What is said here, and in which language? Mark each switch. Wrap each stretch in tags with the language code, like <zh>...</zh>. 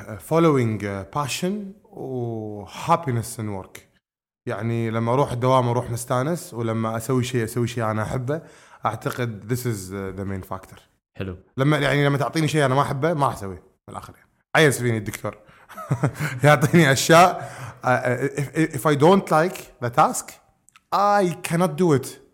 <en>following passion و happiness in work.</en> <ar>يعني لما أروح الدوام أروح مستانس, ولما أسوي شيء أسوي شيء أنا أحبه.</ar> <en>أعتقد this is the main factor.</en> <ar>حلو, لما يعني لما تعطيني شيء أنا ما أحبه ما أسوي بالآخر. يعني عايز فيني الدكتور يعطيني أشياء.</ar> <en>If I don't like the task, I cannot do it.</en>